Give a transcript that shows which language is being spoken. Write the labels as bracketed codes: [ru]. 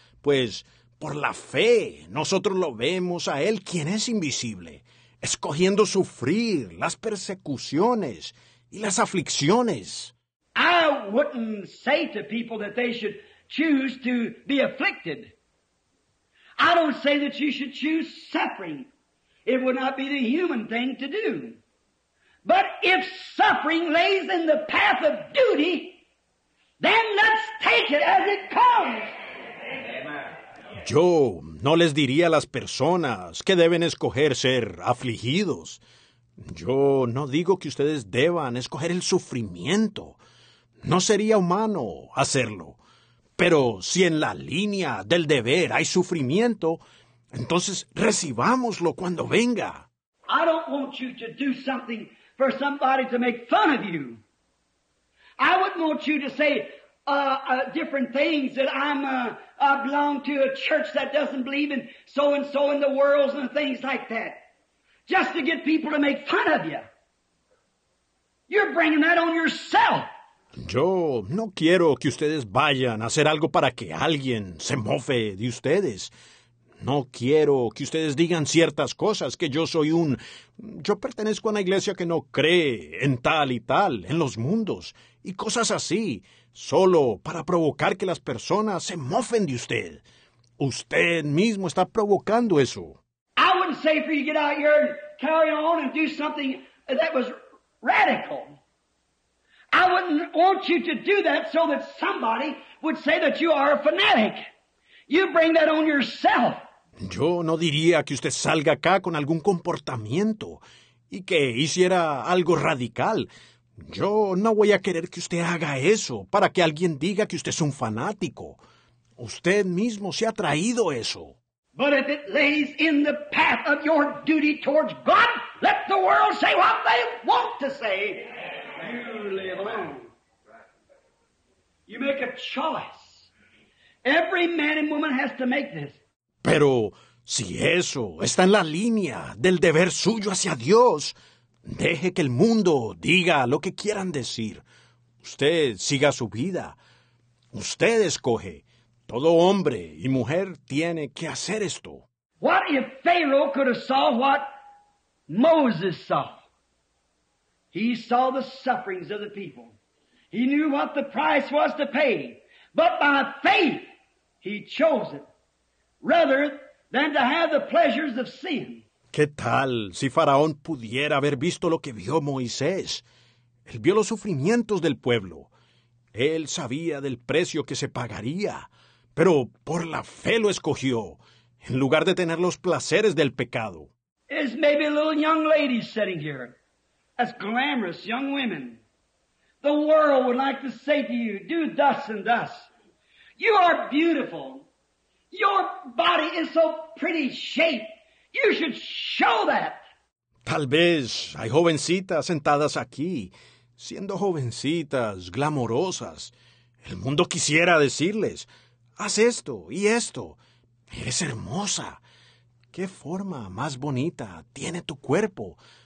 [es] Pues por la fe nosotros lo vemos a él, quien es invisible, escogiendo sufrir las persecuciones y las aflicciones. [en] I wouldn't say to people that they should choose to be afflicted. I don't say that you should choose suffering. It would not be the human thing to do. But if suffering lays in the path of duty, then let's take it as it comes. [es] Yo no les diría a las personas que deben escoger ser afligidos. Yo no digo que ustedes deban escoger el sufrimiento. No sería humano hacerlo. Pero si en la línea del deber hay sufrimiento, entonces recibámoslo cuando venga. [en] I don't want you to do something for somebody to make fun of you. I wouldn't want you to say different things that I belong to a church that doesn't believe in so and so in the worlds and things like that. Just to get people to make fun of you. You're bringing that on yourself. [es] Yo no quiero que ustedes vayan a hacer algo para que alguien se mofe de ustedes. No quiero que ustedes digan ciertas cosas, que yo soy un... Yo pertenezco a una iglesia que no cree en tal y tal, en los mundos, y cosas así, solo para provocar que las personas se mofen de usted. Usted mismo está provocando eso. [en] I wouldn't say for you to get out here and carry on and do something that was radical. I wouldn't want you to do that so that somebody would say that you are a fanatic. You bring that on yourself. [es] Yo no diría que usted salga acá con algún comportamiento y que hiciera algo radical. Yo no voy a querer que usted haga eso para que alguien diga que usted es un fanático. Usted mismo se ha traído eso. [en] But if it lays in the path of your duty towards God, let the world say what they want to say. You live alone. You make a choice. Every man and woman has to make this. [es] Pero si eso está en la línea del deber suyo hacia Dios, deje que el mundo diga lo que quieran decir. Usted siga su vida. Usted escoge. Todo hombre y mujer tiene que hacer esto. [en] What if Pharaoh could have saw what Moses saw? He saw the sufferings of the people. He knew what the price was to pay. But by faith he chose it. Rather than to have the pleasures of sin. [es] ¿Qué tal si Faraón pudiera haber visto lo que vio Moisés? Él vio los sufrimientos del pueblo. Él sabía del precio que se pagaría, pero por la fe lo escogió, en lugar de tener los placeres del pecado. [en] There's maybe a little young lady sitting here, as glamorous young women. The world would like to say to you, do thus and thus. You are beautiful. Your body is so pretty shaped. You should show that. [es] Tal vez hay jovencitas sentadas aquí, siendo jovencitas glamorosas. El mundo quisiera decirles, haz esto y esto. Eres hermosa. ¿Qué forma más bonita tiene tu cuerpo?